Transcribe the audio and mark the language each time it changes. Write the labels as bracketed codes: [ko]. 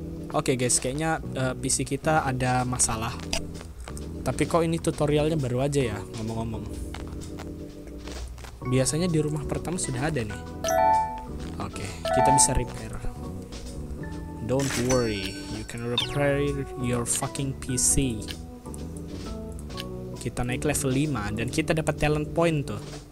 [id] Oke [en] okay guys, [id] kayaknya PC kita ada masalah. Tapi kok ini tutorialnya baru aja ya ngomong-ngomong. Biasanya di rumah pertama sudah ada nih. Oke, okay, kita bisa repair. [en] Don't worry, you can repair your fucking PC. [id] Kita naik level 5 dan kita dapat talent point tuh.